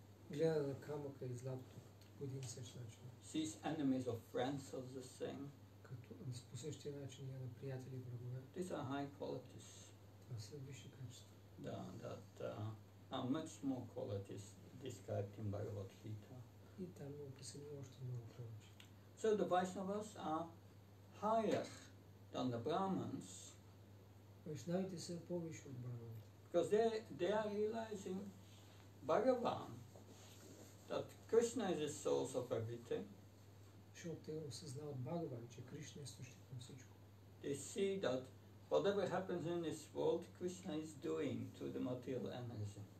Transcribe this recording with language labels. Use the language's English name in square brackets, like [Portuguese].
[Bulgarian] Гледа на камъка и златото по един същ начин. [English] Sees enemies of friends as the same. [Bulgarian] Като по същия начин гледа на приятели и врагове. [English] These are high qualities. [Bulgarian] Това са висши качества. [English] Да, that are much more qualities described in Bhagavad Gita. [Bulgarian] И там е описано още много повече. [English] So the Vaishnavas are higher than the Brahmins. [Bulgarian] Вайшнавите са повече от Брахмани. [English] Because they are realizing Bhagavan, that Krishna is the source of everything. [Bulgarian] Защото те осъзнават Бхагаван, че Кришна е източник на всичко. [English] They see that whatever happens in this world, Krishna is doing to the material energy.